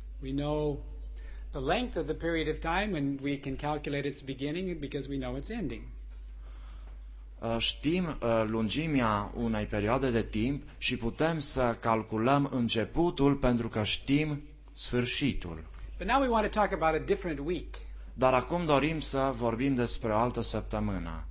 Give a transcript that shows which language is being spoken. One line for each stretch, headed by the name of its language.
English: We know the length of the period of time and we can calculate its beginning because we know its ending.
Romanian: Știm lungimea unei perioade de timp și putem să calculăm începutul pentru că știm sfârșitul.
English: But now we want to talk about a different week.
Romanian: Dar acum dorim să vorbim despre o altă săptămână.